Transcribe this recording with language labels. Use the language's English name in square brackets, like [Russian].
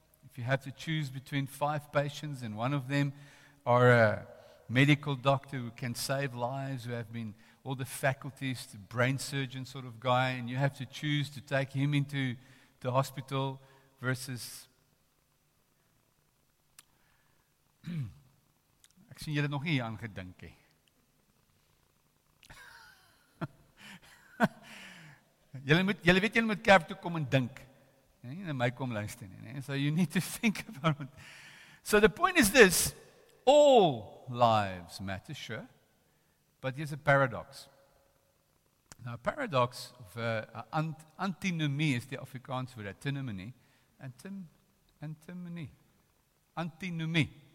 [English] If you have to choose between five patients and one of them are a medical doctor who can save lives, who have been all the faculties, the brain surgeon sort of guy, and you have to choose to take him into the hospital versus... [Afrikaans] Ek sien julle nog nie hier aan gedink nie. Julle weet julle moet kerk toe kom en dink. Nie na my kom luister nie, nee. [English] So you need to think about it. So the point is this, all lives matter, sure. But there's a paradox. Now, a paradox of antinomie is the Afrikaans word, antinomie.